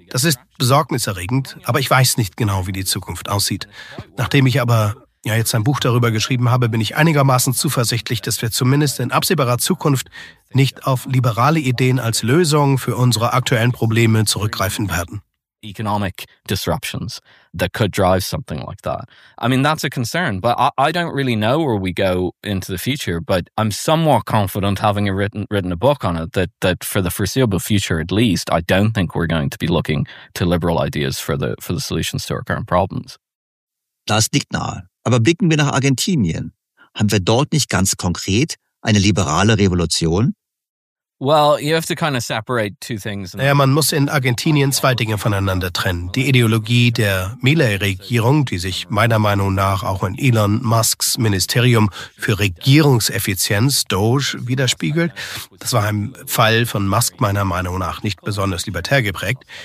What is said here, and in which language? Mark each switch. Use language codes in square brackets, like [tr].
[de] Das ist besorgniserregend, aber ich weiß nicht genau, wie die Zukunft aussieht. Nachdem ich aber ja jetzt ein Buch darüber geschrieben habe, bin ich einigermaßen zuversichtlich, dass wir zumindest in absehbarer Zukunft nicht auf liberale Ideen als Lösung für unsere aktuellen Probleme zurückgreifen werden. [en] economic disruptions that could drive something like that. I mean, that's a concern, but I don't really know where we go into the future, but I'm somewhat confident, having written a book on it, that for the foreseeable future, at least, I don't think we're going to be looking to liberal ideas for the solutions to our current problems. [de] Das liegt nahe. Aber blicken wir nach Argentinien. Haben wir dort nicht ganz konkret eine liberale Revolution? [en] Well, you have to kind of separate two things. [de] Ja, man muss in Argentinien zwei Dinge voneinander trennen. Die Ideologie der Milei-Regierung, die sich meiner Meinung nach auch in Elon Musks Ministerium für Regierungseffizienz, DOGE, widerspiegelt. Das war im Fall von Musk meiner Meinung nach nicht besonders libertär geprägt.